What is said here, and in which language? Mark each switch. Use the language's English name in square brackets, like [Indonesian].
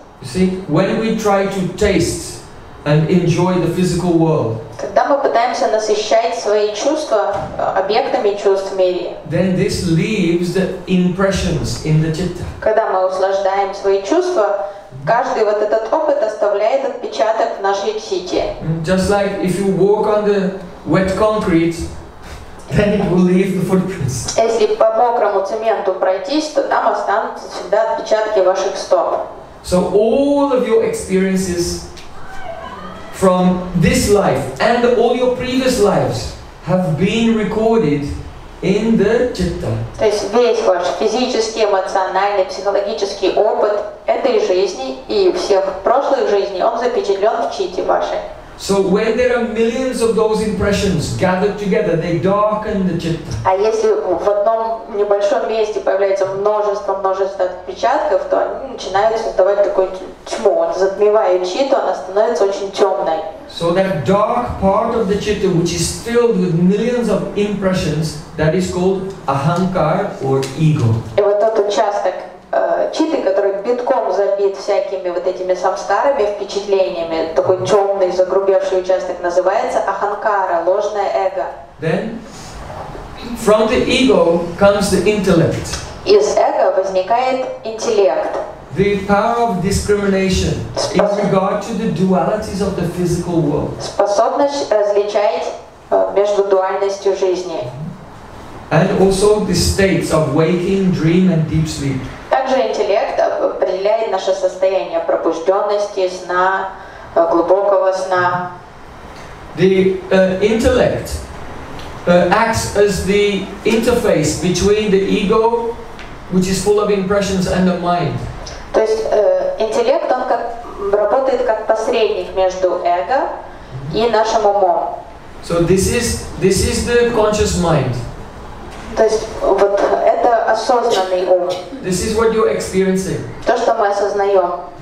[English] You see, when we try to taste and enjoy the physical world. [Russian] Когда мы пытаемся насыщать свои чувства объектами чувств в мире. [English] Then this leaves the impressions in the chitta. [Russian] Когда мы услаждаем свои чувства, каждый вот этот опыт оставляет отпечаток в нашей психике. [English] Just like if you walk on the wet concrete, then it will leave the footprints. [Russian] Если по мокрому цементу пройтись, то там останутся всегда отпечатки ваших стоп. [English] So all of your experiences from this life and all your previous lives have been recorded in the chitta. [Russian] То есть весь ваш физический, эмоциональный, психологический опыт этой жизни и всех прошлых жизней, он запечатлен в чите вашей. [English] So when there are millions of those impressions gathered together, they darken the chitta. [Russian] А если в одном небольшом месте появляется множество отпечатков, то они начинают создавать такую тьму, он затмевает читу, она становится очень темной. [English] So that dark part of the chitta, which is filled with millions of impressions, that is called ahankar or ego. [Russian] И вот тот участок читы, который битком забит всякими вот этими самскарами, впечатлениями, такой темный, загрубевший участок, называется аханкара, ложное эго. [English] Then, from the ego comes the intellect. [Russian] Из эго возникает интеллект. [English] The power of discrimination in regard to the dualities of the physical world. [Russian] Способность различать между дуальностью жизни. [English] And also the states of waking, dream and deep sleep. [Russian] Также интеллект определяет наше состояние пробужденности, сна, глубокого сна. [English] The intellect acts as the interface between the ego, which is full of impressions, and the mind. [Russian] То есть интеллект, он как работает как посредник между эго и нашим умом. [English] So this is the conscious mind. [Russian] То есть вот это осознанный ум. [English] This is what you're experiencing. [Russian] То, что мы осознаем.